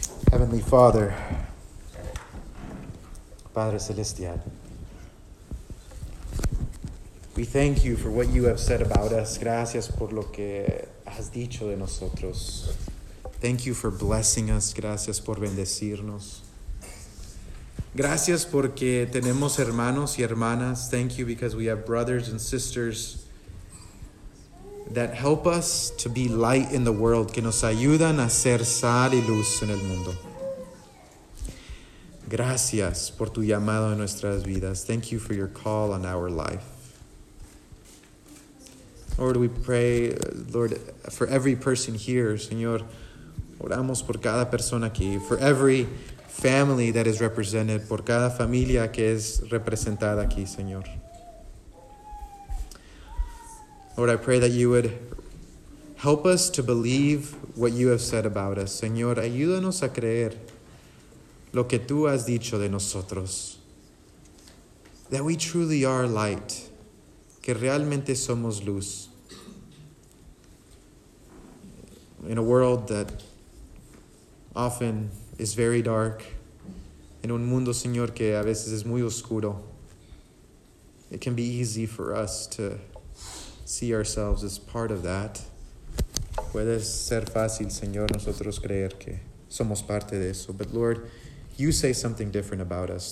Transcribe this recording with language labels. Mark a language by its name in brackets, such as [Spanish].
[English] Heavenly Father, [Spanish] Padre Celestial, [English] we thank you for what you have said about us. [Spanish] Gracias por lo que has dicho de nosotros. [English] Thank you for blessing us. [Spanish] Gracias por bendecirnos. Gracias porque tenemos hermanos y hermanas. [English] Thank you because we have brothers and sisters that help us to be light in the world, [Spanish] que nos ayudan a ser sal y luz en el mundo. Gracias por tu llamado en nuestras vidas. [English] Thank you for your call on our life. Lord, we pray, Lord, for every person here. [Spanish] Señor, oramos por cada persona aquí, [English] for every family that is represented, [Spanish] por cada familia que es representada aquí, Señor. [English] Lord, I pray that you would help us to believe what you have said about us. [Spanish] Señor, ayúdanos a creer lo que tú has dicho de nosotros. [English] That we truly are light. [Spanish] Que realmente somos luz. [English] In a world that often is very dark. [Spanish] En un mundo, Señor, que a veces es muy oscuro. [English] It can be easy for us to see ourselves as part of that. [Spanish] Puede ser fácil, Señor, nosotros creer que somos parte de eso. [English] But Lord, you say something different about us.